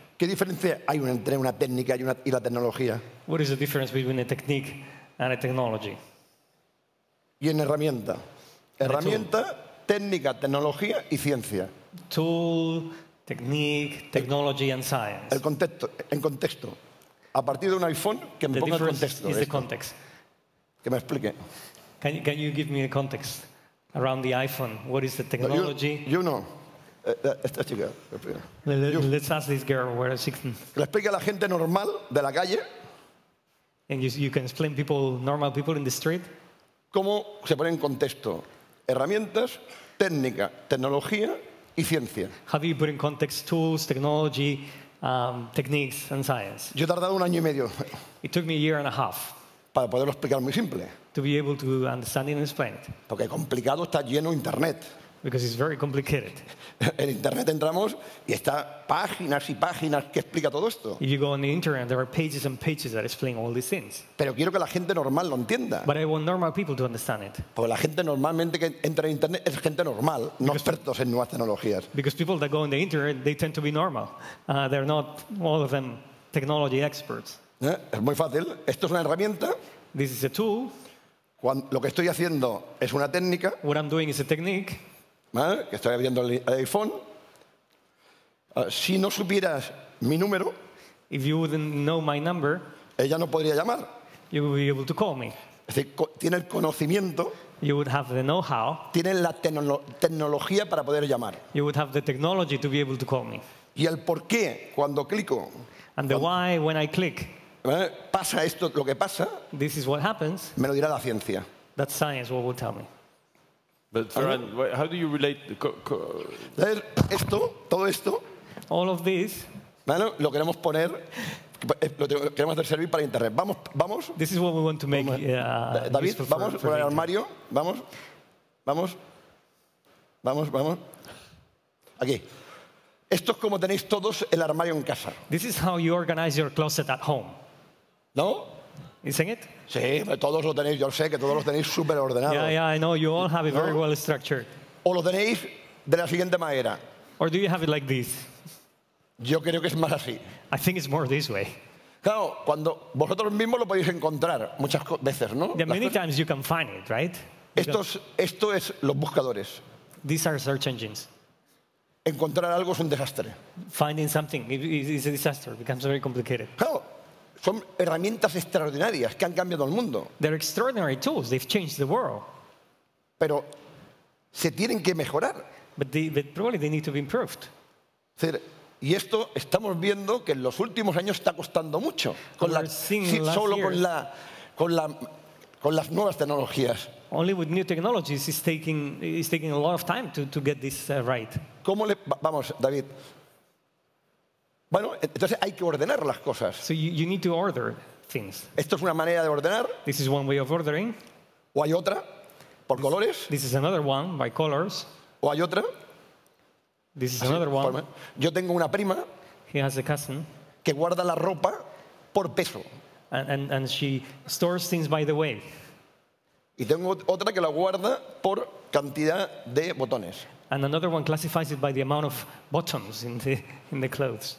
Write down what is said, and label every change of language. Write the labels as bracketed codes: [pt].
[es] ¿Qué diferencia hay entre una técnica y la tecnología? [en] What is the difference between a technique and a technology? [es] Y en herramienta. Herramienta, técnica, tecnología y ciencia. [en] Tool, technique, technology and science. [es] El contexto, en contexto. A partir de un iPhone, que me [en] the [es] ponga el contexto. [en] Is the context. [es] Que me explique. [en] Can you give me a context around the iPhone? What is the technology? [es] No. Esta chica. [en] Let's ask this girl where she can. [es] Le explique a la gente normal de la calle. [en] And you can explain people, normal people in the street. [es] ¿Cómo se pone en contexto? Herramientas, técnica, tecnología y ciencia. [en] How do you put in context tools, technology, techniques and science? [es] Yo he tardado un año y medio. [en] It took me a year and a half. [es] para poderlo explicar muy simple. [en] To be able to understand and explain it. [es] Porque complicado está lleno internet. [en] Because it's very complicated. [es] En internet entramos y está páginas y páginas que explica todo esto. [en] If you go on the internet, there are pages and pages that explain all these things. [es] Pero quiero que la gente normal lo entienda. [en] But I want normal people to understand it. [es] Porque la gente normalmente que entra en internet es gente normal, [en] because [es] no expertos en nuevas tecnologías. [en] Because people that go on the internet, they tend to be normal. They're not all of them technology experts. [es] Es muy fácil. Esto es una herramienta. [en] This is a tool. [es] Cuando, lo que estoy haciendo es una técnica. [en] What I'm doing is a technique. [es] ¿Vale? Que estoy abriendo el iPhone. Si no supieras mi número, [en] if you wouldn't know my number, [es] ella no podría llamar. [en] You would be able to call me. [es] Es decir, tiene el conocimiento. [en] You would have the know-how. [es] Tiene la tecnología para poder llamar. [en] You would have the technology to be able to call me. [es] Y el por qué cuando clico. [en] And the why when I click. [es] ¿Vale? Pasa esto, lo que pasa. [en] This is what happens. [es] Me lo dirá la ciencia. [en] That science will tell me. But Ferran, how do you relate the [es] esto, todo esto? [en] All of this. [es] Bueno, lo queremos poner, lo queremos hacer servir para internet. Vamos, vamos. [en] This is what we want to make. [es] David, vamos por el armario. Vamos, vamos, vamos, vamos. Aquí. Esto es como tenéis todos el armario en casa. [en] This is how you organize your closet at home. [es] ¿No? [en] Isn't it? [es] Sí, todos lo tenéis. Yo sé que todos lo tenéis súper ordenado. [en] Yeah, yeah, I know. You all have it very well structured. [es] O lo tenéis de la siguiente manera. [en] Or do you have it like this? [es] Yo creo que es más así. [en] I think it's more this way. [es] Claro, cuando vosotros mismos lo podéis encontrar muchas veces, ¿no? [en] Yeah, many times you can find it, right? [es] Esto es los buscadores. [en] These are search engines. [es] Encontrar algo es un desastre. [en] Finding something is a disaster. It becomes very complicated. [es] Claro. Son herramientas extraordinarias que han cambiado el mundo. [en] They're extraordinary tools. They've changed the world. [es] Pero se tienen que mejorar. [en] But probably they need to be improved. [es] Y esto estamos viendo que en los últimos años está costando mucho. Con las nuevas tecnologías. [en] Only with new technologies is taking a lot of time to get this right. [es] Vamos, David. Bueno, entonces hay que ordenar las cosas. [en] So you need to order things. [es] Esto es una manera de ordenar. [en] This is one way of ordering. [es] O hay otra, por [en] this, [es] colores. [en] This is another one, by colors. [es] O hay otra. [en] This is another one. [es] Forma. Yo tengo una prima. [en] He has a cousin. [es] Que guarda la ropa por peso. [en] And she stores things by the weight. [es] Y tengo otra que la guarda por cantidad de botones. [en] And another one classifies it by the amount of buttons in the clothes.